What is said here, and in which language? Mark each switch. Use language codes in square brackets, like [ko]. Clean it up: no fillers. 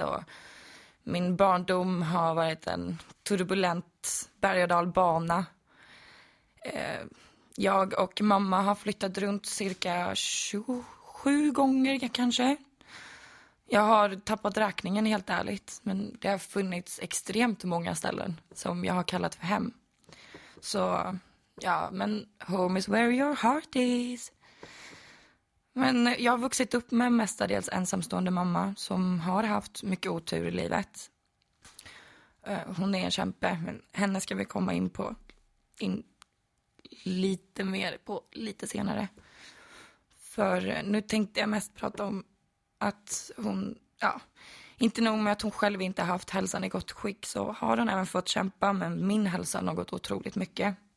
[sv] Och min barndom har varit en turbulent berg- och dalbana. Jag och mamma har flyttat runt cirka 27 gånger kanske. Jag har tappat räkningen helt ärligt. Men det har funnits extremt många ställen som jag har kallat för hem. Så, ja, men [en] home is where your heart is. [sv] Men jag har vuxit upp med mestadels ensamstående mamma som har haft mycket otur i livet. Hon är en kämpe, men henne ska vi komma in på lite mer på lite senare. För nu tänkte jag mest prata om att hon, ja, inte nog med att hon själv inte har haft hälsan i gott skick, så har hon även fått kämpa med min hälsa något otroligt mycket.